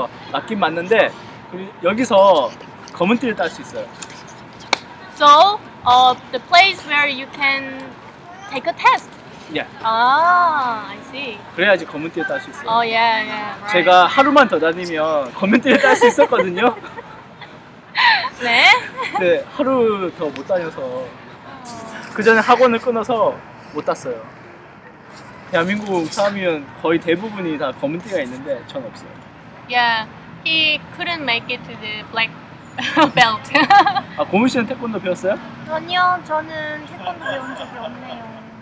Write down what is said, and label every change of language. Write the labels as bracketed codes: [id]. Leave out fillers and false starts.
[ko] 맞긴 맞는데 여기서 검은 띠를 딸 수 있어요. [en] So, the place where you can take a test. Yeah. Ah, I see. [ko] 그래야지 검은 띠를 딸 수 있어요. [en] Oh, yeah, yeah. Right. [ko] 제가 하루만 더 다니면 검은 띠를 딸 수 있었거든요. 네. 네, 하루 더 못 다녀서 그 전에 학원을 끊어서 못 땄어요. 대한민국 사람이면 거의 대부분이 다 검은 띠가 있는데 전 없어요. [en] Yeah, he couldn't make it to the black. belt. [ko] 아, 고문 씨는 태권도 배웠어요? 아니요, 저는 태권도 배운 적이 없네요.